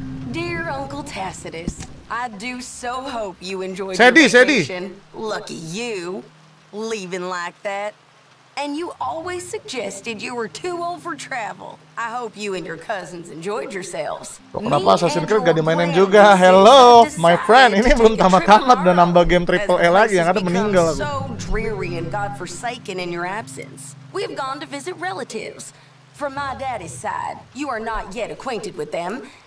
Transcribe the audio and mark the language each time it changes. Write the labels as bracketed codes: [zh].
[en] Dear Uncle Tacitus, I do so hope you enjoyed your vacation. Sedi, lucky you, leaving like that. And you always suggested you were too old for travel. I hope you and your cousins enjoyed yourselves. [id] Oh, kenapa Assassin's Creed gak dimainin juga? [en] Hello, my friend. [id] Ini belum tamat-tamat udah nambah game AAA lagi yang ada meninggal. [en] So dreary and godforsaken in your absence. We've gone to visit relatives. From my daddy's side, you are not yet acquainted with them.